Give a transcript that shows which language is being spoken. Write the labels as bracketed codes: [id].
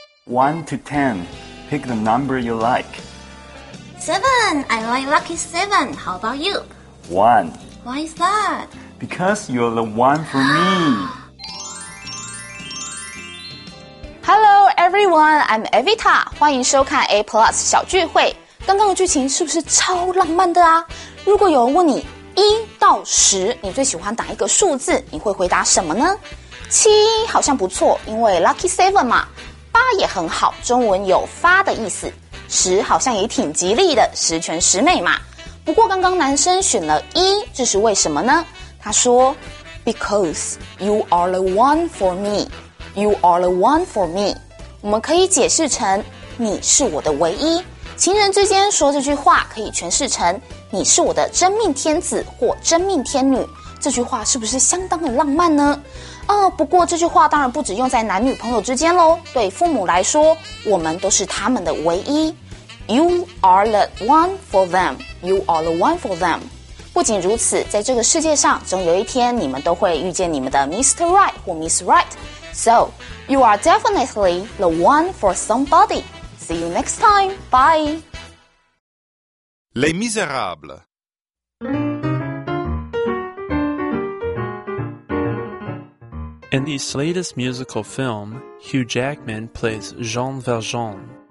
[en] 1 to 10. Pick the number you like. 7. I like lucky 7. How about you? 1. Why is that? Because you're the one for me. Hello, everyone. I'm Evita. [zh] 欢迎收看 A Plus 小聚会。刚刚的剧情是不是超浪漫的啊？如果有人问你1到 10, 你最喜欢哪一个数字？你会回答什么呢？7好像不错，因为 lucky 7嘛。八也很好，中文有发的意思。十好像也挺吉利的，十全十美嘛。不过刚刚男生选了一，这是为什么呢？他说 ， [en] Because you are the one for me, [zh] you are the one for me。我们可以解释成你是我的唯一。情人之间说这句话可以诠释成你是我的真命天子或真命天女，这句话是不是相当的浪漫呢？不过这句话当然不只用在男女朋友之间咯，对父母来说，我们都是他们的唯一。 [en] You are the one for them. You are the one for them. [zh] 不仅如此，在这个世界上，总有一天你们都会遇见你们的 Mr. Right 或 Miss Right. [en] So, you are definitely the one for somebody. See you next time. Bye. Les Misérables. In the latest musical film, Hugh Jackman plays Jean Valjean.